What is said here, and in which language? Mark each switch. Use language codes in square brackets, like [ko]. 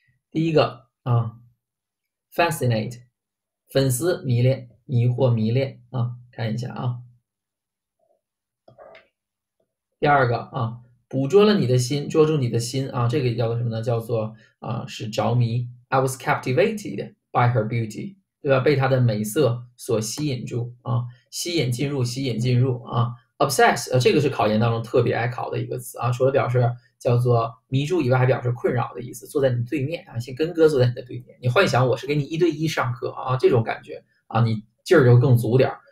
[zh] 第一个啊，fascinate。粉丝迷恋、迷惑、迷恋啊，看一下啊。第二个啊，捕捉了你的心，捉住你的心啊，这个叫做什么呢？叫做是着迷。 [en] I was captivated by her beauty， [zh] 对吧？被她的美色所吸引住啊，吸引进入，吸引进入啊。 Obsess，这个是考研当中特别爱考的一个词啊，除了表示叫做迷住以外，还表示困扰的意思。坐在你对面啊，像跟哥坐在你的对面，你幻想我是给你一对一上课啊，这种感觉啊，你劲儿就更足点儿，